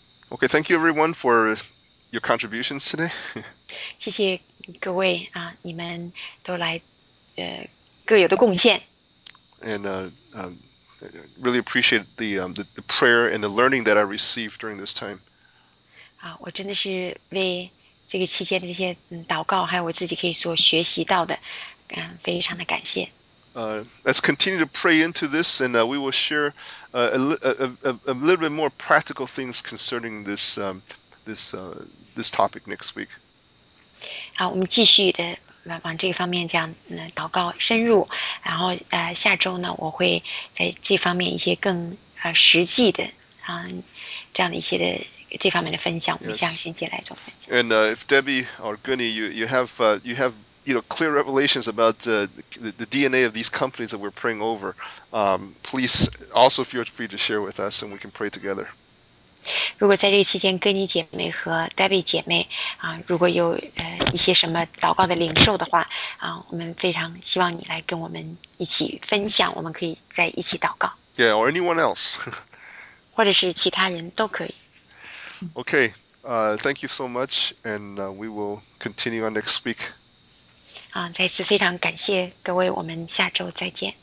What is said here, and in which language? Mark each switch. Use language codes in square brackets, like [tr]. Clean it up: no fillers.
[en] Okay, thank you everyone for your contributions today. [zh] 谢谢各位啊，你们都来各有的贡献。 [en] And really appreciate the prayer and the learning that I received during this time. [zh] 啊，我真的是为这个期间的这些祷告还有我自己可以所学习到的非常的感谢。 [en] Let's continue to pray into this and we will share a little bit more practical things concerning this topic next week. [zh] 好，我们继续的往这方面这样祷告深入，然后下周呢我会在这方面一些更实际的这样的一些的这方面的分享，我们将先接来做分享。 [en] And if Debbie or Gunny, you have you know clear revelations about the DNA of these companies that we're praying over, please also feel free to share with us, and we can pray together. [zh] 如果在这期间，Gunny姐妹和Debbie姐妹如果有一些什么祷告的领受的话我们非常希望你来跟我们一起分享，我们可以再一起祷告。 [en] Yeah, or anyone else. [zh] 或者是其他人都可以。 [en] Okay, thank you so much, and we will continue on next week. [zh] 再次非常感谢各位，我们下周再见。